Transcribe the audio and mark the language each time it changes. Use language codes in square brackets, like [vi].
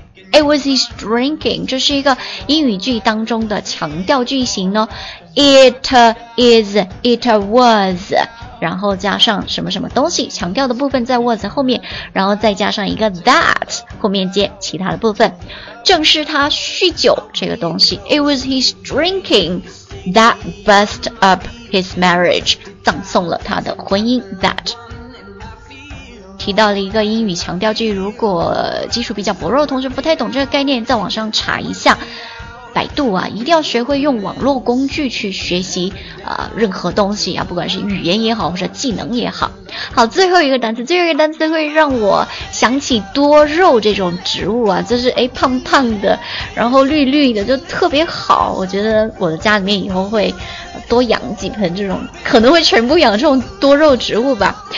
[en] It was his drinking， [zh] 这是一个英语句当中的强调句型呢。 [en] It is, it was。 [zh] 然后加上什么什么东西，强调的部分在 was 后面，然后再加上一个 that， 后面接其他的部分。正是他酗酒这个东西。 [en] It was his drinking that bust up his marriage， [zh] 葬送了他的婚姻 [en] that。 [zh] 提到了一个英语强调句，如果基础比较薄弱的同学不太懂这个概念，在网上查一下百度啊，一定要学会用网络工具去学习任何东西啊，不管是语言也好或者技能也好。好，最后一个单词，最后一个单词会让我想起多肉这种植物啊，就是诶胖胖的然后绿绿的就特别好，我觉得我的家里面以后会多养几盆这种，可能会全部养这种多肉植物吧。